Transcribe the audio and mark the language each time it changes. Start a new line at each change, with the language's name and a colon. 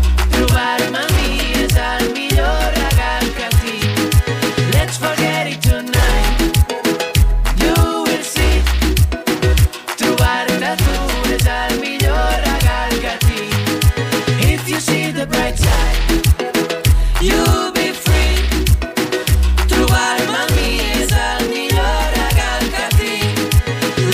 Catalan: Trobar-me a mi és el millor regal que tinc.
English: Let's forget it tonight, you will see.
Catalan: Trobar-te tu és el millor regal que tinc.
English: If you see the bright side, you be free.
Catalan: Trobar-me a mi és el millor regal que tinc.